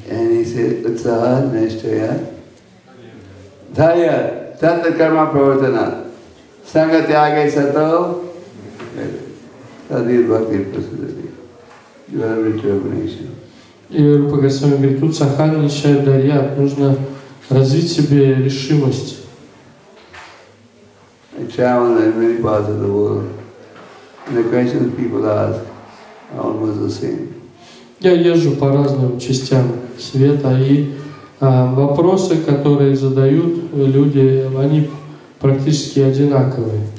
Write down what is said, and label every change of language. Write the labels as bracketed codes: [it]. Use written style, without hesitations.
[en] And he says, [sa] Utsaha, Nishchaya, Dhaya, Tata Karma Pravartana, Sangha Tyage Sato, Tadir Bhakti Prasadati, [en] you have determination. [ru] И Рупа Госвами говорит, тут Сахара нищает Дарья, нужно развить себе решимость. [en] I travel in many parts of the world. And the questions people ask are almost the same. [ru] Я езжу по разным частям света, и вопросы, которые задают люди, они практически одинаковые.